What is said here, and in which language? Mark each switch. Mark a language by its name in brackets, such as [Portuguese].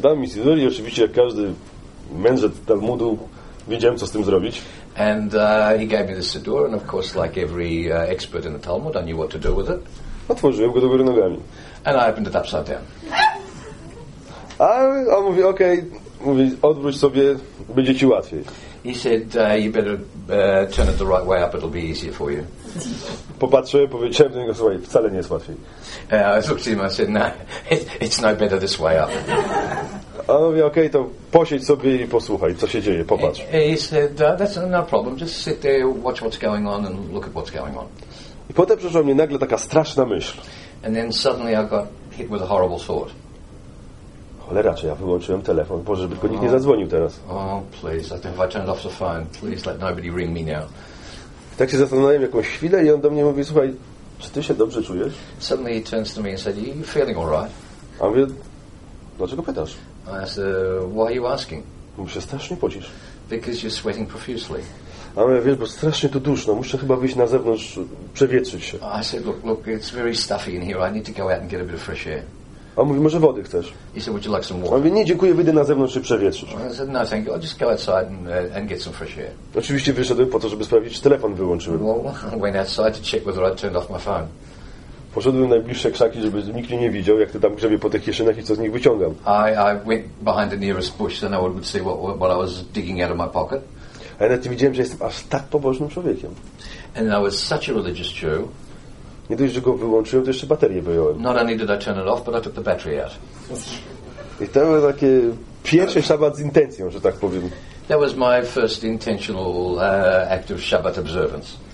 [Polish] Dał mi sidur i oczywiście jak każdy mędrzec Talmudu wiedziałem, co z tym zrobić. [English] And he gave me the siddur, and of course, like every expert in the Talmud, I knew what to do with it. [Polish] Otworzyłem go do góry nogami. [English] And I opened it upside down. [Polish] A on mówi, okej, mówi, odwróć sobie, będzie ci łatwiej. [English] He said, you better turn it the right way up, it'll be easier for you. [Polish] Popatrzyłem, powiedziałem do niego, słuchaj, wcale nie jest łatwiej. [English] I looked at him, I said, no, it's no better this way up. [Polish] A on mówi, okej, to posiedź sobie i posłuchaj, co się dzieje, popatrz. [English] He said, that's no problem, just sit there, watch what's going on and look at what's going on. [Polish] I potem przyszła mnie nagle taka straszna myśl. [English] And then suddenly I got hit with a horrible thought. [Polish] Cholera, czy ja wyłączyłem telefon? Boże, żeby tylko nikt nie zadzwonił teraz. [English] Oh, please, I think if I turned off the phone, please let nobody ring me now. [Polish] Tak się zastanawiałem jakąś chwilę i on do mnie mówi, słuchaj, czy ty się dobrze czujesz? [English] Suddenly he turns to me and said, are you feeling all right? [Polish] A on mówi, dlaczego pytasz? [English] I said, why are you asking? [Polish] Mówi, się strasznie pocisz. [English] Because you're sweating profusely. [Polish] A on mówi, wiesz, bo strasznie to duszno, muszę chyba wyjść na zewnątrz, przewietrzyć się. [English] I said, look, it's very stuffy in here, I need to go out and get a bit of fresh air. [Polish] A on mówi, może wody chcesz? [English] He said, would you like some water? [Polish] A on mówi, nie, dziękuję, wyjdę na zewnątrz, się przewietrzysz. [English] I said, no, thank you, I'll just go outside and get some fresh air. [Polish] Oczywiście wyszedłem po to, żeby sprawdzić, czy telefon wyłączyłem. [English] Well, I went outside to check whether I'd turned off my phone. [Polish] Poszedłem na najbliższe krzaki, żeby nikt mnie nie widział, jak ty tam grzebie po tych kieszeniach i co z nich wyciągam. [English] I went behind the nearest bush so no one would see what I was digging out of my pocket. [Polish] A ja nawet nie widziałem, że jestem aż tak pobożnym człowiekiem. [English] And I was such a religious Jew. [Polish] Nie dość, że go wyłączyłem, to jeszcze baterię wyjąłem. [English] Not only did I turn it off, but I took the battery out. [Polish] I to było takie pierwszy szabat z intencją, że tak powiem. [English] That was my first intentional act of Shabbat observance.